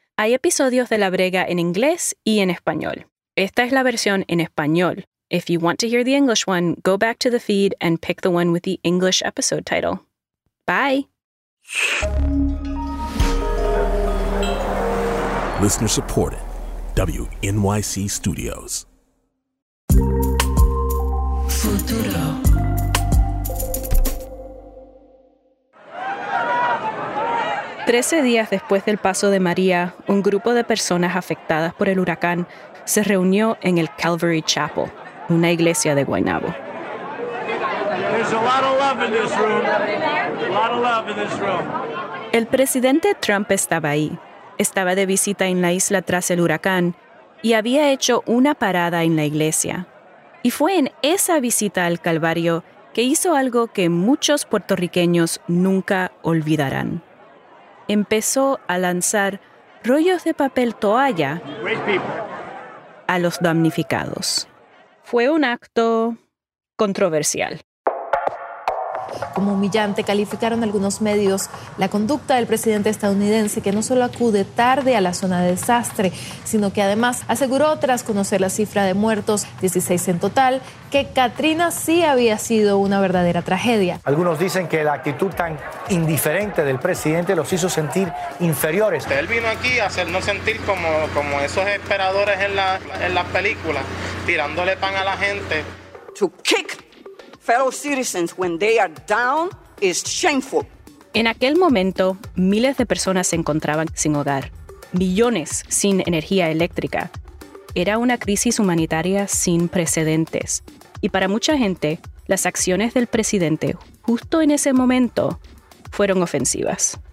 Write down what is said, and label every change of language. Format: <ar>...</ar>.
<es>Hay episodios de La Brega en inglés y en español. Esta es la versión en español.</es> <en>If you want to hear the English one, go back to the feed and pick the one with the English episode title. Bye. Listener supported. WNYC Studios.</en> <es>Futuro. Trece días después del paso de María, un grupo de personas afectadas por el huracán se reunió en el Calvary Chapel, una iglesia de Guaynabo.</es> <en>There's a lot of love in this room. A lot of love in this room.</en> <es>El presidente Trump estaba ahí. Estaba de visita en la isla tras el huracán y había hecho una parada en la iglesia. Y fue en esa visita al Calvario que hizo algo que muchos puertorriqueños nunca olvidarán. Empezó a lanzar rollos de papel toalla a los damnificados. Fue un acto controversial. Como humillante calificaron algunos medios la conducta del presidente estadounidense, que no solo acude tarde a la zona de desastre, sino que además aseguró, tras conocer la cifra de muertos, 16 en total, que Katrina sí había sido una verdadera tragedia. Algunos dicen que la actitud tan indiferente del presidente los hizo sentir inferiores. Él vino aquí a hacernos sentir como esos esperadores en la película, tirándole pan a la gente.</es> <en>To kick fellow citizens when they are down is shameful.</en> <es>En aquel momento, miles de personas se encontraban sin hogar, millones sin energía eléctrica. Era una crisis humanitaria sin precedentes. Y para mucha gente, las acciones del presidente justo en ese momento fueron ofensivas.</es>